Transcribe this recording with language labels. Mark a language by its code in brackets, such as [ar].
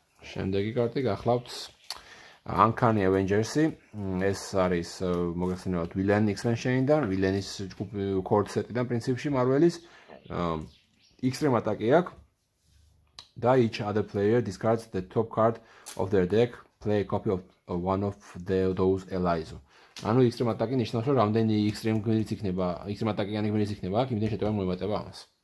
[ka] შემდეგი კარტი გახლავთ Uncanny Avengers-ი. ეს არის მოგახსენებათ Villain Expansion-დან, Villain-ის ჯგუფი Core Set-დან პრინციპში Marvel-ის. Extreme Attack-ი აქვს. [en] Da each other player discards the top card of their deck, play a copy of one of those allies. [ka] ანუ extreme attack-ი ნიშნავს, რომ რამდენი extreme გმირიც იქნება, extreme attack-იანი გმირიც იქნება, აქ იმდენ შეტევა მოიმატება ამას.